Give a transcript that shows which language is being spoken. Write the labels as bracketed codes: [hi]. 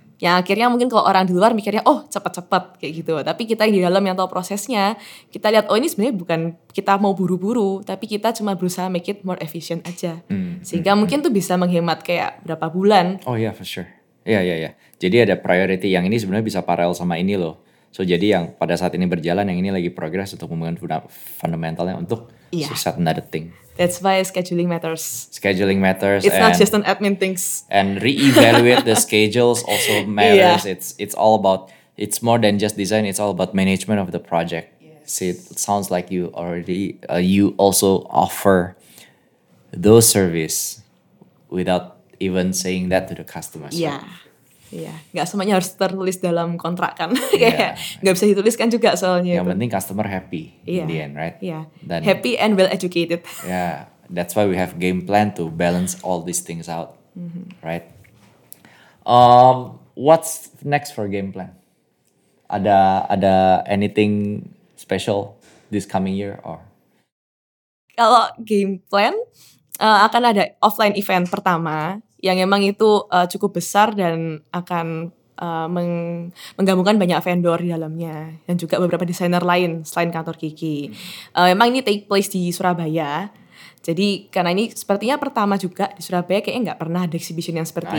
[id] Yang akhirnya mungkin kalau orang di luar mikirnya, oh cepat-cepat kayak gitu. Tapi kita yang di dalam yang tahu prosesnya, kita lihat, oh ini sebenarnya bukan kita mau buru-buru, tapi kita cuma berusaha [en] make it more efficient [id] aja. Sehingga mungkin tuh bisa menghemat kayak berapa bulan. [en] Oh yeah, for sure. [id] Iya. Jadi ada priority yang ini sebenarnya bisa paralel sama ini loh. So jadi yang pada saat ini berjalan, yang ini lagi progress untuk pembangunan fundamentalnya untuk Sukses [en] another thing. That's why scheduling matters. Scheduling matters. It's not just an admin things. And reevaluate the schedules also matters. Yeah. It's all about, it's more than just design. It's all about management of the project. Yes. See, it sounds like you already, you also offer those service without even saying that to the customers. [id] Gak semuanya harus tertulis dalam kontrak kan. Gak bisa dituliskan juga soalnya. Yang itu penting [en] customer happy in the end, right? Yeah. [id] Dan [en] happy and well educated. That's why we have game plan to balance all these things out. Right? What's next for game plan? [id] Ada [en] anything special this coming year or? [id] Kalau game plan, akan ada offline event pertama yang emang itu cukup besar dan akan menggabungkan banyak vendor di dalamnya dan juga beberapa desainer lain selain kantor Gigi. Emang ini [en] take place [id] di Surabaya, jadi karena ini sepertinya pertama juga di Surabaya, kayaknya nggak pernah ada exhibition yang seperti